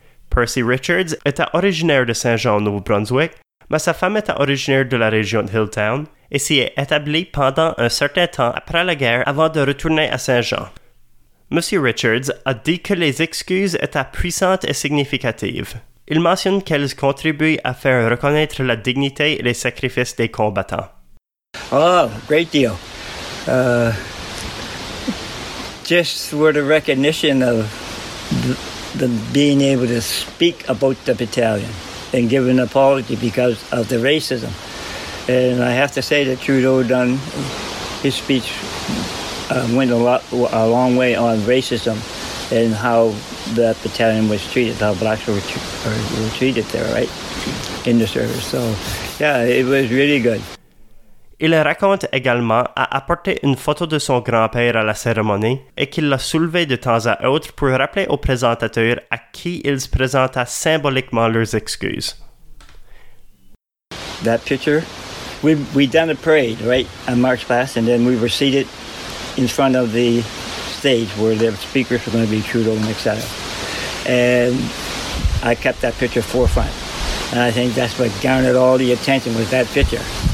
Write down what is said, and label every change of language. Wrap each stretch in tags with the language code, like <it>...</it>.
<fr>Percy Richards était originaire de Saint-Jean, Nouveau-Brunswick, mais sa femme était originaire de la région de Hilltown et s'y est établie pendant un certain temps après la guerre avant de retourner à Saint-Jean. Monsieur Richards a dit que les excuses étaient puissantes et significatives. Il mentionne qu'elles contribuent à faire reconnaître la dignité et les sacrifices des combattants.</fr> <en>Oh, great deal. just were the recognition of the being able to speak about the battalion and give an apology because of the racism. And I have to say that Trudeau done his speech went a long way on racism and how the battalion was treated, how blacks were treated there, right, in the service. So, yeah, it was really good.</en> <fr>Il raconte également à apporter une photo de son grand-père à la cérémonie et qu'il l'a soulevé de temps à autre pour rappeler aux présentateurs à qui il se présenta symboliquement leurs excuses.</fr> <en>That picture, we done a parade, right, a march past, and then we were seated in front of the stage where the speakers were going to be Trudeau and etc. And I kept that picture forefront. And I think that's what garnered all the attention was that picture.</en>